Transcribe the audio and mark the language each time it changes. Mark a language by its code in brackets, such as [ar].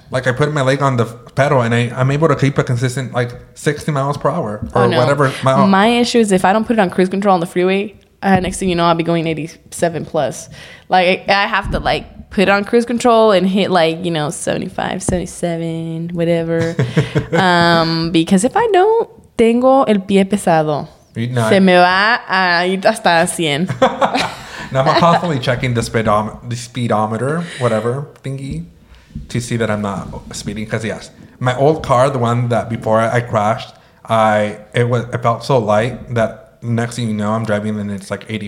[en] Like, I put my leg on the pedal, and I'm able to keep a consistent, like, 60 miles per hour or whatever. My issue is if I don't put it on cruise control on the freeway, next thing you know, I'll be going 87 plus. Like, I have to, like, put it on cruise control and hit, like, you know, 75, 77, whatever. because if I don't, [es] tengo el pie pesado. No, se me va a ir hasta 100. [en] Now, I'm constantly checking the speedometer, whatever, thingy, to see that I'm not speeding. Because, yes, my old car, the one that before I crashed, it felt so light that next thing you know, I'm driving and it's like 85